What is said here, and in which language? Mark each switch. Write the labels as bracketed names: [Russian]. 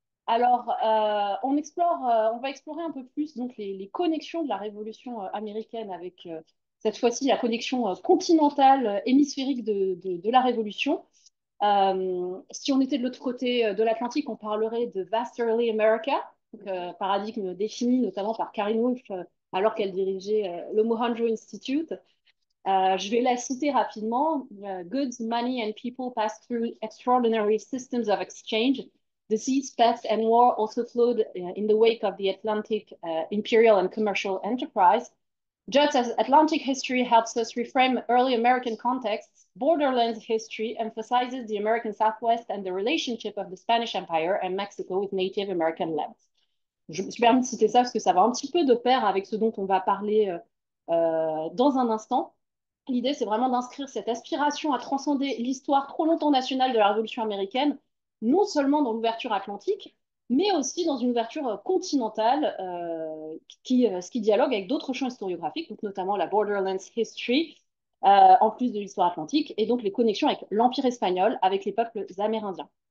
[French] Alors, on va explorer un peu plus donc les connexions de la révolution américaine avec cette fois-ci la connexion continentale hémisphérique de la révolution. Si on était de l'autre côté de l'Atlantique, on parlerait de Vast Early America, paradigme défini notamment par Karen Wolf alors qu'elle dirigeait le Mohanjo Institute. Je vais la citer rapidement. [English] Goods, money and people pass through extraordinary systems of exchange. Disease, pests, and war also flowed in the wake of the Atlantic imperial and commercial enterprise. Just as Atlantic history helps us reframe early American contexts, borderlands history emphasizes the American Southwest and the relationship of the Spanish Empire and Mexico with Native American lands. [French] Je me suis permis de citer ça parce que ça va un petit peu de pair avec ce dont on va parler dans un instant. L'idée, c'est vraiment d'inscrire cette aspiration à transcender l'histoire trop longtemps nationale de la Révolution américaine, non seulement dans l'ouverture atlantique, mais aussi dans une ouverture continentale, ce qui dialogue avec d'autres champs historiographiques, donc notamment la Borderlands History, en plus de l'histoire atlantique, et donc les connexions avec l'Empire espagnol, avec les peuples amérindiens.